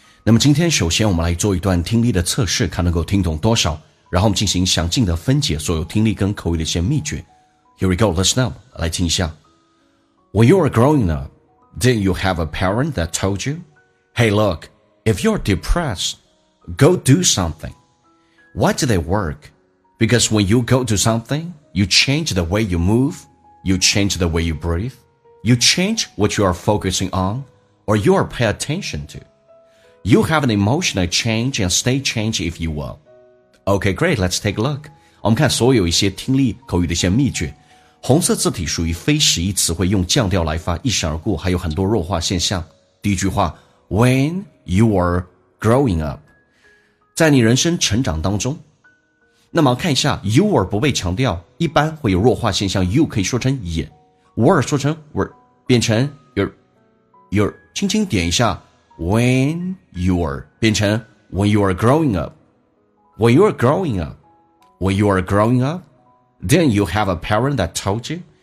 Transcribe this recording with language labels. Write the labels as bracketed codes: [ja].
[zh] 那么今天首先我们来做一段听力的测试，看能够听懂多少，然后我们进行详尽的分解所有听力跟口语的一些秘诀。 [en] Here we go, listen up， [zh] 来听一下。 [en] When you are growing up, then you have a parent that told you, Hey look, if you're depressed, go do something. Why do they work? Because when you go do somethingYou change the way you move, you change the way you breathe, you change what you are focusing on, or you are paying attention to. You have an emotional change and state change, if you will. Okay, great, let's take a look. [zh] 我们看所有一些听力口语的一些秘诀。红色字体属于非实义词汇，用降调来发，一闪而过，还有很多弱化现象。 [en] 第一句话 ,When you are growing up, [zh] 在你人生成长当中，那么看一下 [en] you were [zh] 不被强调，一般会有弱化现象， [en] you [zh] 可以说成 [en] ye， were [zh] 说成 [en] were， [zh] 变成 [en] your， [zh] 轻轻点一下 [en] when you are 变成 when you are growing up， when you are growing up， when you are growing up， then you have a parent that told you。